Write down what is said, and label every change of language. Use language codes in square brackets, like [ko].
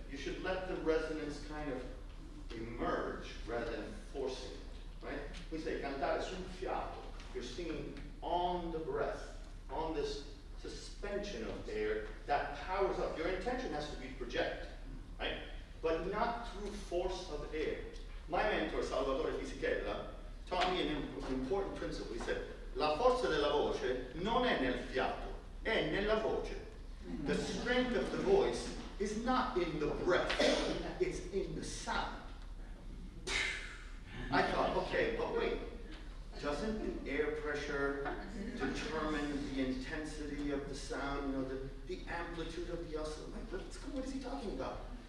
[en] You should let the resonance kind of emerge rather than forcing it, right? We say [it] cantare sul fiato. [en] You're singing on the breath, on this suspension of air that powers up. Your intention has to be project, right? But not through force of air. My mentor, Salvatore Fisichella, taught me an important principle. He said, [it] la forza della voce non è nel fiato, è nella voce. [en] The strength of the voice is not in the breath, it's in the sound. I thought, okay, but wait, doesn't the air pressure determine the intensity of the sound, you know, the amplitude of the oscillation? What is he talking about?